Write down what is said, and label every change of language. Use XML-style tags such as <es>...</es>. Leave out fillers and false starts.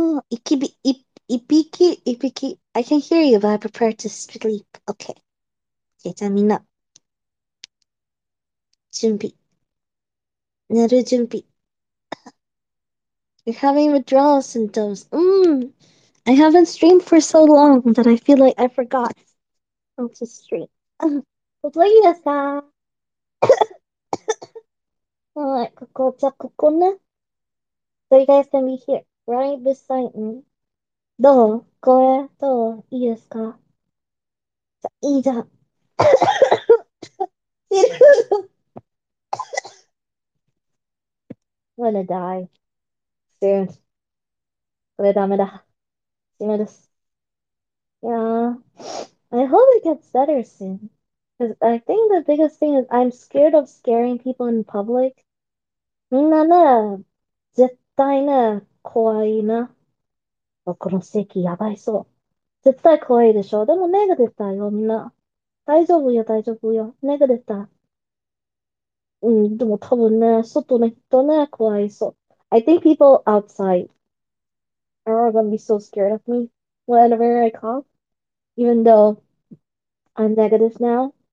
<ja>いきび、い、いびき、いびき。</ja> <en>I can hear you, but I prepare to sleep.</en> <ja>Okay. じゃあみんな。準備。寝る準備。</ja> <en>You're having withdrawal symptoms. I haven't streamed for so long that I feel like I forgot how to stream.</en> <ja>ここいいですか? はい、ここ、じゃあ、ここね。</ja> <en>So you guys can be here, right beside me.</en> <ja>どう?これ、どう?いいですか?じゃ、いいじゃん。</ja> <en>I'm gonna die soon.</en> <ja>これダメだ。今です。</ja> <en>いやー、I hope it gets better soon. Because I think the biggest thing is I'm scared of scaring people in public.</en> <ja>みんなね、絶対ね、怖いな。この席やばいそう。絶対怖いでしょ。でもネガ出たよ、みんな。大丈夫よ、大丈夫よ。ネガ出た。でも多分ね、外の人ね、怖いそう。</ja> <en>I think people outside are gonna be so scared of me whenever I cough. Even though I'm negative now.</en>